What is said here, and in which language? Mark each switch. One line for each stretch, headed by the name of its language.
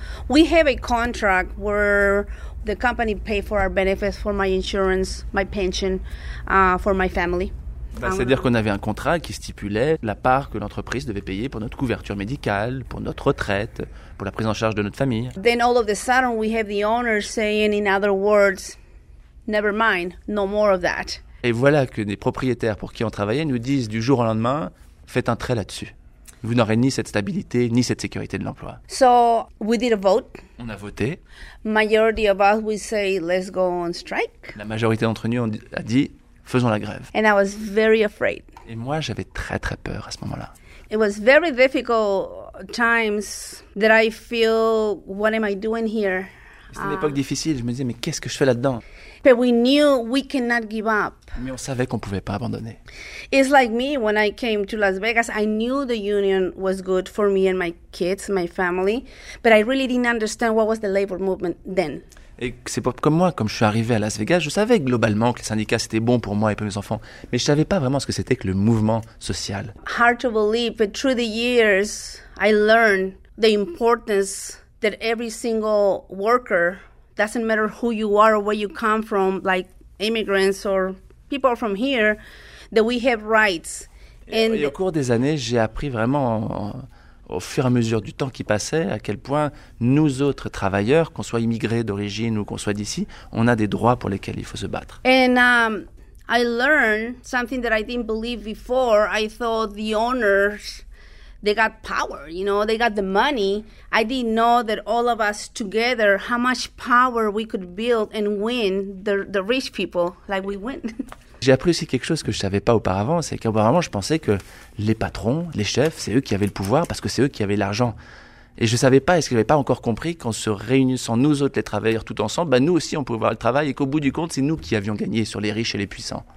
English: We have a contract where the company pays for our benefits, for my insurance, my pension, for my family.
French: C'est-à-dire qu'on avait un contrat qui stipulait la part que l'entreprise devait payer pour notre couverture médicale, pour notre retraite, pour la prise en charge de notre famille.
English: Then all of a sudden we have the owner saying, in other words, never mind, no more of that.
French: Et voilà que des propriétaires pour qui on travaillait nous disent du jour au lendemain, faites un trait là-dessus. Vous n'aurez ni cette stabilité, ni cette sécurité de l'emploi.
English: So, we did a vote.
French: On a voté.
English: Majority of us, we say, let's go on strike.
French: La majorité d'entre nous a dit, faisons la grève.
English: And I was very afraid.
French: Et moi, j'avais très, très peur à ce moment-là.
English: It was very difficult times that I feel, what am I doing here?
French: C'était une époque difficile. Je me disais, mais qu'est-ce que je fais là-dedans?
English: But we knew we cannot give up.
French: Mais on savait qu'on pouvait pas abandonner.
English: It's like me when I came to Las Vegas. I knew the union was good for me and my kids, my family, but I really didn't understand what was the labor movement then.
French: Et c'est comme moi, comme je suis arrivé à Las Vegas, je savais globalement que les syndicats c'était bon pour moi et pour mes enfants, mais je savais pas vraiment ce que c'était que le mouvement social.
English: Hard to believe, but through the years, I learned the importance that every single worker. Doesn't matter who you are or where you come from, like immigrants or people from here, that we have rights.
French: Et au cours des années, j'ai appris vraiment, au fur et à mesure du temps qui passait, à quel point nous autres travailleurs, qu'on soit immigrés d'origine ou qu'on soit d'ici, on a des droits pour lesquels il faut se battre.
English: And I learned something that I didn't believe before. I thought the owners, they got power, you know, they got the money. I didn't know that all of us together, how much power we could build and win the rich people, like we win.
French: J'ai appris aussi quelque chose que je ne savais pas auparavant, c'est qu'auparavant, je pensais que les patrons, les chefs, c'est eux qui avaient le pouvoir parce que c'est eux qui avaient l'argent. Et je ne savais pas, est-ce que je n'avais pas encore compris qu'en se réunissant nous autres, les travailleurs, tout ensemble, bah, nous aussi, on pouvait avoir le travail et qu'au bout du compte, c'est nous qui avions gagné sur les riches et les puissants.